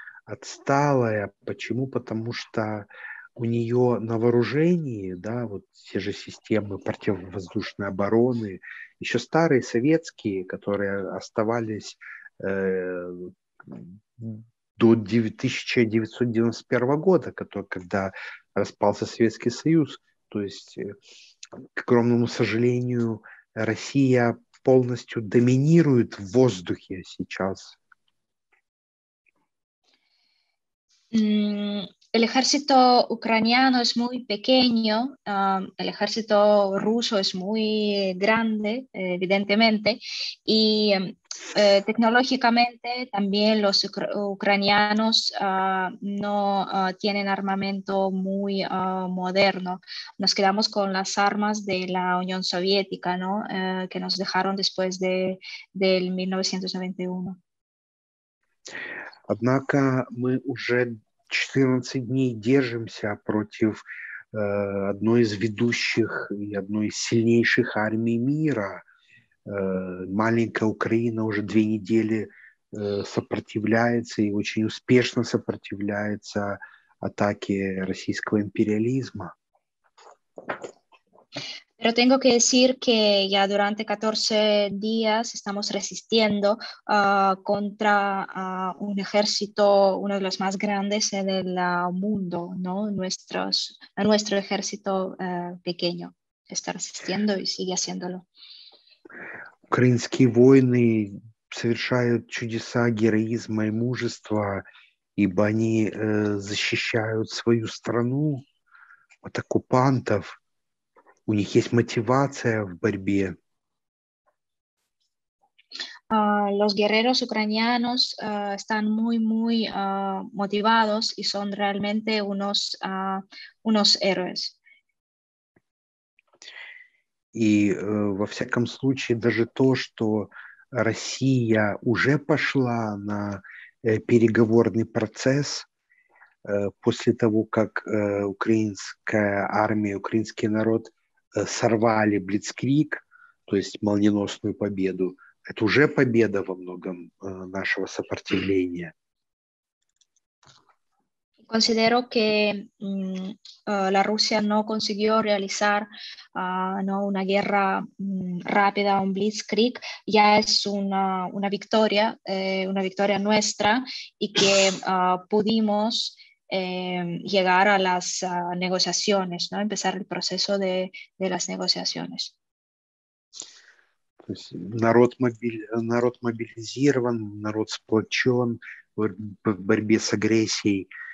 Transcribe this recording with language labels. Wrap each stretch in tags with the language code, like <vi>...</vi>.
<ru>отсталая. Почему? Потому что у нее на вооружении, да, вот те же системы противовоздушной обороны, еще старые советские, которые оставались до 1991 года, когда распался Советский Союз. То есть, к огромному сожалению, Россия полностью доминирует в воздухе сейчас.</ru> <es>El ejército ucraniano es muy pequeño, el ejército ruso es muy grande, evidentemente, y tecnológicamente también los ucranianos no tienen armamento muy moderno. Nos quedamos con las armas de la Unión Soviética, ¿no? Que nos dejaron después del 1991.</es> <ru>Однако мы уже 14 дней держимся против одной из ведущих и одной из сильнейших армий мира. Маленькая Украина уже 2 недели сопротивляется и очень успешно сопротивляется атаке российского империализма.</ru> <es>Pero tengo que decir que ya durante 14 días estamos resistiendo contra un ejército, uno de los más grandes del mundo, ¿no? Nuestro ejército pequeño está resistiendo y sigue haciéndolo.</es> <ru>Украинские воины совершают чудеса героизма и мужества, ибо они защищают свою страну от оккупантов. У них есть мотивация в борьбе.</ru> <es>Los guerreros ucranianos están muy motivados y son realmente unos héroes.</es> <ru>И во всяком случае, даже то, что Россия уже пошла на переговорный процесс после того, как украинская армия, украинский народ сорвали блицкриг, то есть молниеносную победу. Это уже победа во многом нашего сопротивления.</ru> <es>Considero que la Rusia no consiguió realizar no una guerra rápida, un blitzkrieg, ya es una victoria nuestra y que pudimos llegar a las negociaciones, ¿no? Empezar el proceso de las negociaciones.</es> <ru>То есть народ мобилизирован, народ сплочен в борьбе с агрессией.</ru>